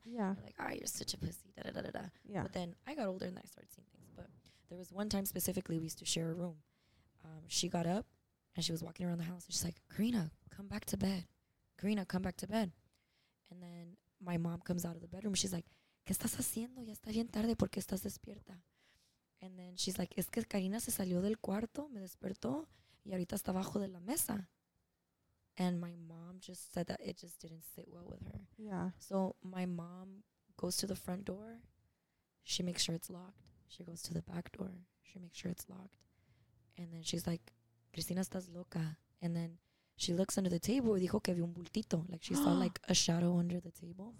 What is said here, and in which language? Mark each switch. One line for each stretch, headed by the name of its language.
English: Yeah. Like, ah, you're such a pussy, da da da da da. Yeah. But then I got older and then I started seeing things. But there was one time specifically we used to share a room. She got up. And she was walking around the house. And she's like, Karina, come back to bed. Karina, come back to bed. And then my mom comes out of the bedroom. She's like,
Spanish: ¿Qué estás haciendo? Ya está bien tarde. ¿Por qué estás despierta?
English: And then she's like,
Spanish: es que Karina se salió del cuarto. Me despertó. Y ahorita está abajo de la mesa.
English: And my mom just said that it just didn't sit well with her. Yeah. So my mom goes to the front door. She makes sure it's locked. She goes to the back door. She makes sure it's locked. And then she's like,
Spanish: Cristina estás loca.
English: And then she looks under the table
Spanish: y dijo que vio un bultito.
English: Like she saw like a shadow under the table.